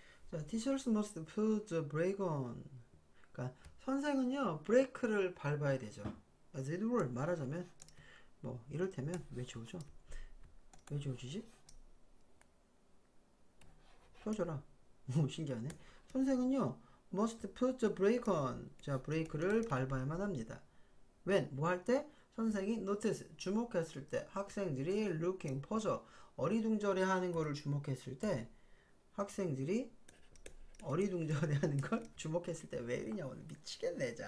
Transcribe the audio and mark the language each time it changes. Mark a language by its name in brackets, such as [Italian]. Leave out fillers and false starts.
[English] 자, teachers must put the brake on. [Korean] 그러니까 선생은요, 브레이크를 밟아야 되죠. [English] As it were, [Korean] 말하자면 뭐 이를테면 왜 지우죠? 왜 지워지지? 써줘라. 뭐 신기하네. 선생은요, [English] must put the brake on. [Korean] 자, 브레이크를 밟아야만 합니다. When? 뭐할 때? 선생이 notice 주목했을 때, 학생들이 looking 퍼져 어리둥절해 하는 거를 주목했을 때, 학생들이 어리둥절해 하는 걸 주목했을 때, 왜 이러냐고 미치겠네.